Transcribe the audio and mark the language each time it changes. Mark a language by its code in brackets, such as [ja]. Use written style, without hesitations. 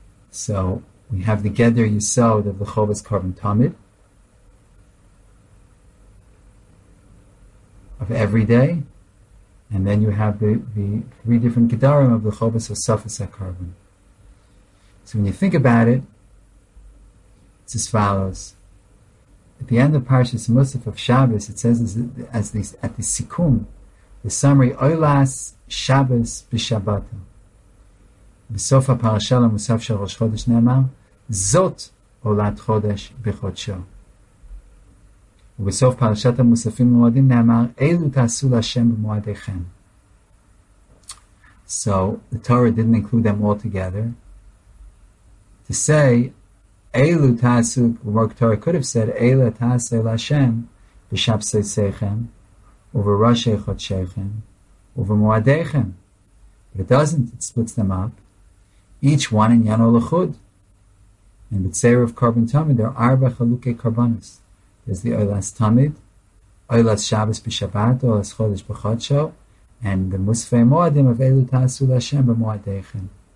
[en] So, we have the Geder Yisod of the Chovas Karban Tamid of every day, and then you have the three different Gedarim of the Chovas Hosafas HaKarban. So when you think about it, it's as follows. At the end of Parshas Musaf of Shabbos, it says at the Sikkum, the summary, Oilas Shabbos B'Shabbatah. [he] בסוף הפרשה למוסף של ראש חודש נאמר, זאת עולת חודש בחודשו. ובסוף פרשת המוספים למועדים נאמר, אלו תעשו להשם במועדיכם. [en] So, the Torah didn't include them all together. To say, [he] אלו תעשו, [en] the Torah could have said, [he] אלו תעשו להשם בשבסיסיכם, ובראשי חודשיכם, ובמועדיכם. [en] But it doesn't, it splits them up. Each one in Yano Lechud. In the Tzeir of Karban Tamid, there are Arba Chalukei Karbanos. There's the Oilas Tamid, Oilas Shabbos B'Shabbat, Oilas Chodesh B'Chodesho, and the Musfei Moadim of Elu Ta'asu L'Hashem B'Moadeichem.